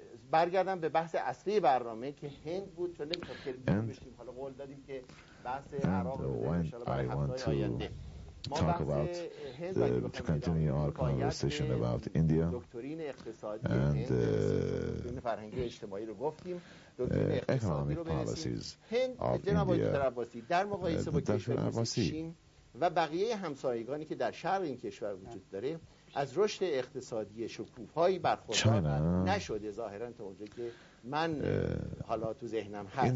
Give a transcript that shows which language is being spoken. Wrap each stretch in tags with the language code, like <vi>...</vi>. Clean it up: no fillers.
<fa>برگردم به بحث اصلی برنامه که هند بود چون نمیخوام خیلی بشیم حالا قول دادیم که بحث عراق</fa> <en>ان شاء الله talk about to continue our conversation about India and economic policies of India.</en> <fa>در مقایسه با کشورهای چین و بقیه همسایگانی که در شرق این کشور وجود داره از رشد اقتصادی شکوفایی برخوردار نشده ظاهرا تا اونجا که من حالا تو ذهنم هست.</fa>